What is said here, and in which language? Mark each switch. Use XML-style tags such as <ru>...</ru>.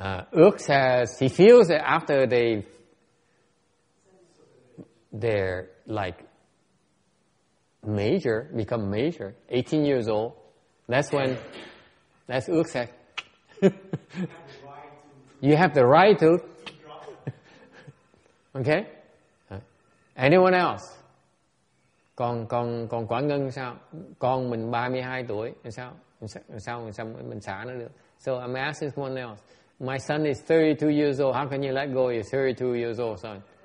<en>Ước says, he feels that after they're like major, become major, 18 years old, that's Ước says, you have the right to, okay? Anyone else?</en> <vi>Còn Quảng Ngân sao? Con mình 32 tuổi, sao mình xả nó được?</vi> <en>So I'm asking someone else. My son is 32 years old. How can you let go of your 32 years old son?</en>